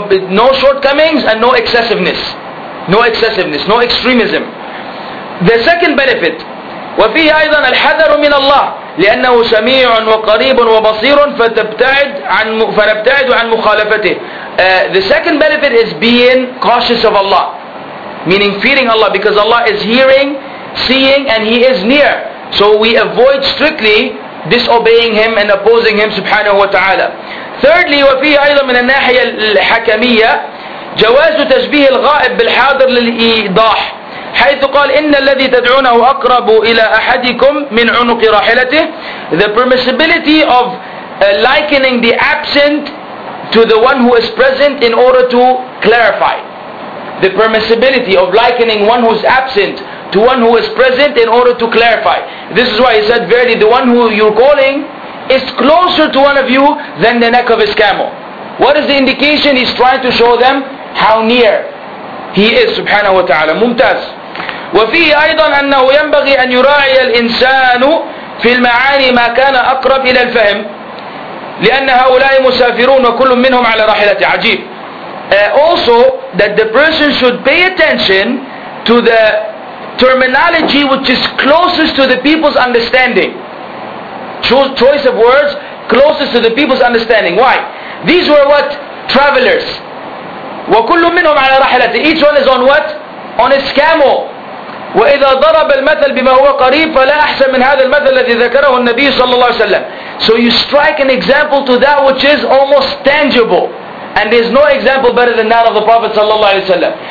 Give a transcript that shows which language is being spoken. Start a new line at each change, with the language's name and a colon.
English: No shortcomings and no excessiveness. No excessiveness, no extremism. The second benefit,
Arabic: وَفِيهِ أَيْضًا الْحَذَرُ مِنَ اللَّهِ لأنه سميع وقريب وبصير فنبتعد عن مخالفته.
English: The second benefit is being cautious of Allah, meaning fearing Allah, because Allah is hearing, seeing, and He is near. So we avoid strictly disobeying Him and opposing Him subhanahu wa ta'ala.
Arabic: Thirdly, وفيه أيضا من الناحية الحكمية جواز تشبيه الغائب بالحاضر للإيضاح. حيث قال إن الذي تدعونه أقرب إلى أحدكم من عنق راحلته.
English: The permissibility of likening the absent to the one who is present in order to clarify. The permissibility of likening one who is absent to one who is present in order to clarify. This is why he said, verily the one who you're calling is closer to one of you than the neck of his camel. What is the indication? He's trying to show them how near he is subhanahu wa ta'ala.
Arabic: Mumtaz. وفيه أيضا أنه ينبغي أن يراعي الإنسان في المعاني ما كان أقرب إلى الفهم لأن هؤلاء مسافرون وكل منهم على راحلته. عجيب.
English: Also that the person should pay attention to the terminology which is closest to the people's understanding. Choice of words closest to the people's understanding. Why? These were what? Travelers.
Arabic: وكل منهم على راحلته.
English: Each one is on what? On his camel.
Arabic: وإذا ضرب المثل بما هو قريب فلا أحسن من هذا المثل الذي ذكره النبي صلى الله عليه وسلم.
English: So you strike an example to that which is almost tangible, and there's no example better than that of the Prophet صلى الله عليه وسلم.